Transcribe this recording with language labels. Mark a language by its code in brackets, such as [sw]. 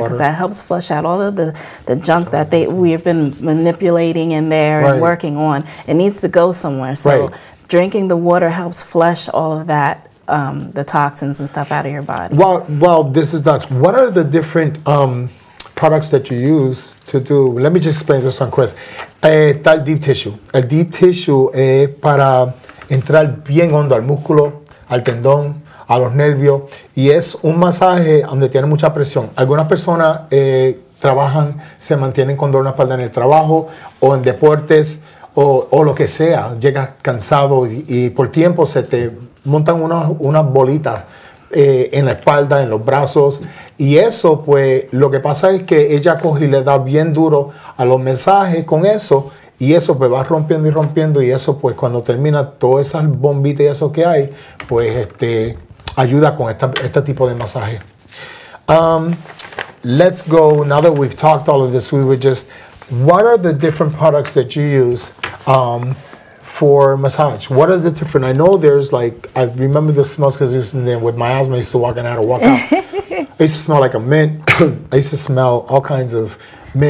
[en] Because that helps flush out all of the junk that we've been manipulating in there and working on. It needs to go somewhere. So drinking the water helps flush all of that. The toxins and stuff out of your body. Well, this is nuts. What are the different products that you use to do? Let me just explain this one, Chris. Tal deep tissue. [es] El deep tissue es para entrar bien hondo al músculo, al tendón, a los nervios, y es un masaje donde tiene mucha presión. Algunas personas trabajan, se mantienen con dolor en la espalda en el trabajo o en deportes o lo que sea. Llegas cansado y por tiempo se te montan unas bolitas en la espalda, en los brazos. Y eso, pues, lo que pasa es que ella coge y le da bien duro a los masajes con eso. Y eso, pues, va rompiendo y rompiendo. Y eso, pues, cuando termina todas esas bombitas y eso que hay, pues, ayuda con este tipo de masaje. [en] Let's go. Now that we've talked all of this, we were just, what are the different products that you use for massage? What are the different? I know there's like, I remember the smells because I used to, then with my asthma, I used to walk in, I had to walk out. I used to smell like a mint. I used to smell all kinds of mint.